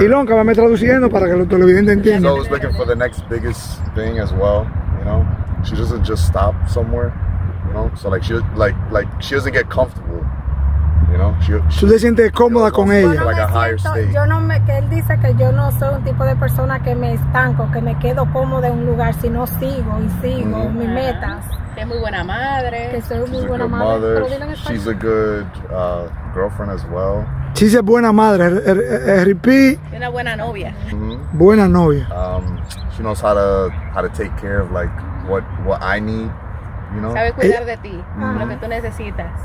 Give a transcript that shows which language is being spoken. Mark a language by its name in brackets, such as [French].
[Spanish] Y Lonca, vame traduciendo para que los televidentes entiendan. [English] She's always looking for the next biggest thing as well, you know? She doesn't just stop somewhere, you know? So, she doesn't get comfortable, you know? [Spanish] ¿Tú te sientes cómoda con ella? [English] Like a higher state. [Spanish] Que él dice que yo no soy un tipo de persona que me estanco, que me quedo cómoda en un lugar, sino sigo y sigo mm-hmm. mis metas. Que es muy buena madre. Que soy [English] she's [Spanish] muy buena [English] good [Spanish] madre. [English] She's a good girlfriend as well. [Spanish] Sí, es buena madre, RP. Una buena novia. Mm-hmm. Buena novia. [English] She knows how to take care of like what I need, you know. [Spanish] Sabe cuidar de ti, mm-hmm. lo que tú necesitas.